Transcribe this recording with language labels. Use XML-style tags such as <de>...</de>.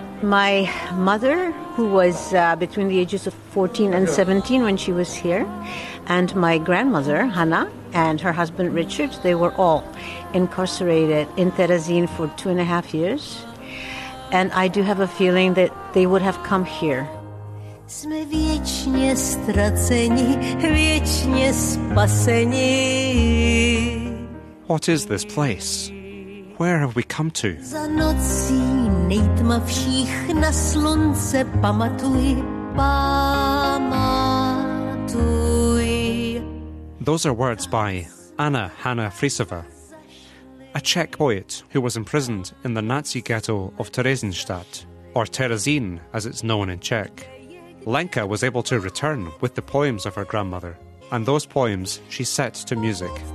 <en>My mother, who was between the ages of 14 and 17 when she was here, and my grandmother, Hannah, and her husband, Richard, they were all incarcerated in Terezin for 2.5 years. And I do have a feeling that they would have come here.</en> <cs>Jsme věčně ztraceni, věčně spaseni.</cs> <en>What is this place? Where have we come to?</en> <cs>Za nocí nejtmavších na slunce pamatuj, pamatuj.</cs> <en>Those are words by Anna Hanna Friseva, a Czech poet who was imprisoned in the Nazi ghetto of Terezinstadt, or Terezin as it's known in Czech. Lenka was able to return with the poems of her grandmother, and those poems she set to music.</en>